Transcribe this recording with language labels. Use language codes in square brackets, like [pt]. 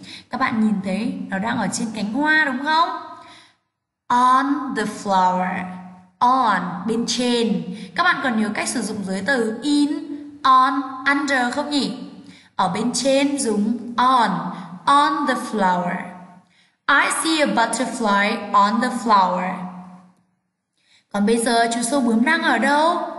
[vi] Các bạn nhìn thấy nó đang ở trên cánh hoa đúng không? [en] On the flower. [vi] On, bên trên. Các bạn còn nhớ cách sử dụng giới từ in, on, under không nhỉ? Ở bên trên dùng [en] on the flower. I see a butterfly on the flower. [vi] Còn bây giờ chú sâu bướm đang ở đâu?